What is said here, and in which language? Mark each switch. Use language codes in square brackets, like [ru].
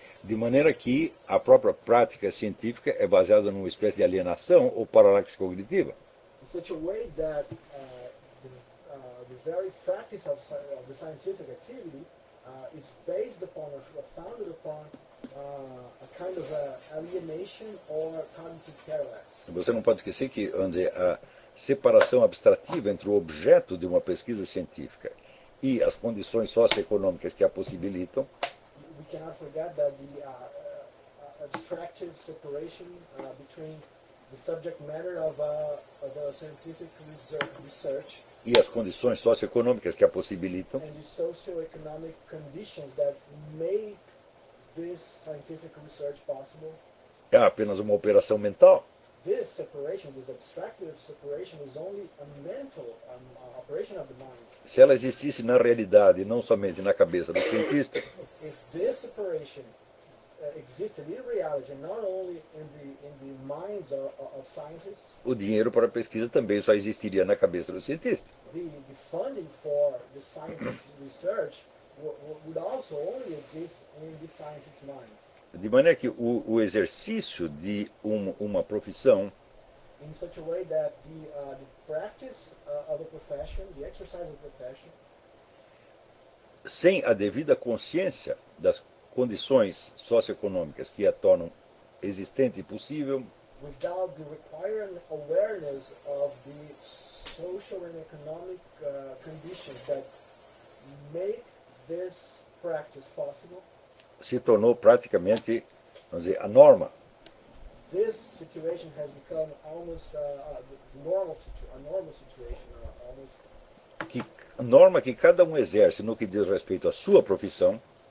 [pt] De maneira que a própria prática científica é baseada numa espécie de alienação ou paralaxe cognitiva. [en] In such a way that the very practice of the scientific activity is based upon or founded upon a kind of alienation or cognitive paradox. [pt] Você não pode esquecer que, vamos dizer, a separação abstrativa entre o objeto de uma pesquisa científica e as condições socioeconômicas que a possibilitam. [en] We cannot forget that the abstractive separation between the subject matter of a scientific research [pt] e as condições socioeconômicas que a possibilitam, [en] and the socioeconomic conditions that make this scientific research possible, [pt] é apenas uma operação mental. [en] This separation, this abstractive separation, is only a mental operation of the mind. [pt] Se ela existisse na realidade, não somente na cabeça do cientista, [en] if this separation existed in reality, not only in the minds of scientists. [pt] O dinheiro para a pesquisa também só existiria na cabeça do cientista. [en] The funding for the scientist's research would also only exist in the scientist's mind. [pt] De maneira que o exercício de uma profissão, [en] in such a way that the practice of a profession, the exercise of a profession, [pt] sem a devida consciência das condições socioeconômicas que a tornam existente e possível, [en] without the required awareness of the social and economic conditions that make this practice possible, [pt] se tornou praticamente, vamos dizer, a norma. [en] This situation has become almost a normal situation, almost [pt] que norma que cada um exerce no que diz respeito à sua profissão.